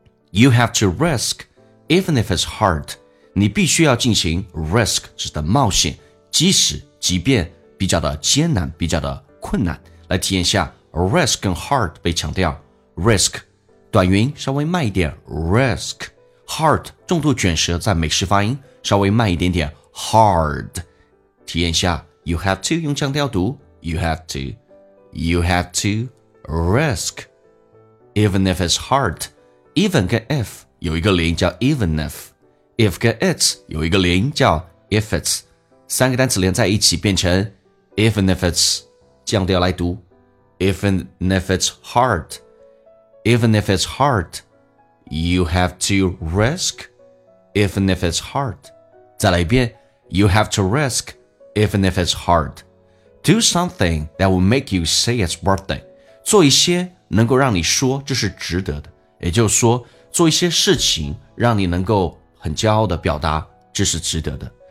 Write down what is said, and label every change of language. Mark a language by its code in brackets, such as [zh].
[en] You have to risk, even if it's hard. [zh] 你必须要进行 risk, 指的冒险，即使即便比较的艰难，比较的困难。来体验一下 risk 跟 hard 被强调， risk 短元稍微慢一点， risk hard 重度卷舌在美式发音稍微慢一点点， hard 体验一下。 [en] You have to [zh] 用强调读 [en] You have to risk even if it's hard. Even 跟 if [zh] 有一个连音叫 [en] even if, if 跟 it 有一个连音叫 if it's, [zh] 三个单词连在一起变成 [en] even if it's, [zh] 降调来读 [en] even if it's hard, even if it's hard, you have to risk even if it's hard. [zh] 再来一遍 [en] You have to riskEven if it's hard, do something that will make you say it's worth it. [zh] 做一些能够让你说这是值得的，也就是说，做一些事情让你能够很骄傲的表达这是值得的。